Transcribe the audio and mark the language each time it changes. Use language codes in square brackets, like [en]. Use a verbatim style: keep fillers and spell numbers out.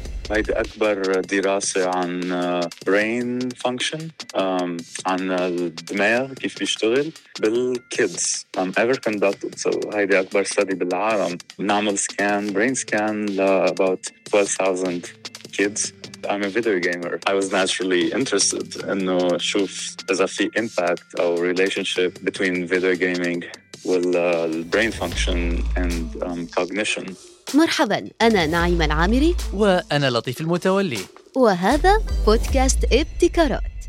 [ar] هيدي أكبر دراسة عن brain function عن الدماغ كيف بيشتغل بالkids um, [en] ever conducted. [ar] So هيدي أكبر study بالعالم. نعمل [en] scan brain scan ل about twelve thousand kids. I'm a video gamer. I was naturally interested [ar] إنه شوف إذا في [en] impact [ar] أو [en] relationship between video gaming وال brain function and um, cognition. [ar] مرحباً، أنا نعيمة العامري وأنا لطيف المتولي، وهذا بودكاست ابتكارات.